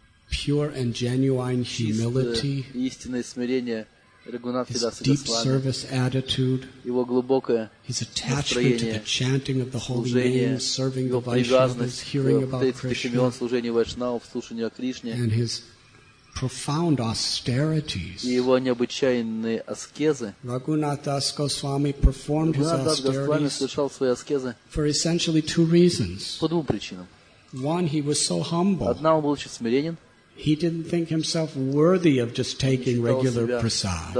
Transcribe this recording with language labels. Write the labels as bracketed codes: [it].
[en] pure and genuine humility, His deep service attitude, [ru] его глубокое [en] His attachment to the chanting of the holy name, serving the Vaishnavas, hearing about Krishna, [ru] служение Вайшнавов, слушание о Кришне, [en] and His profound austerities. [ru] И его необычайные аскезы. [en] Raghunath Das Goswami performed his аскезы for essentially two reasons. [ru] По двум причинам. [en] One, he was so humble. [ru] Одна, он был очень смиренен. [en] He didn't think himself worthy of just taking regular prasad.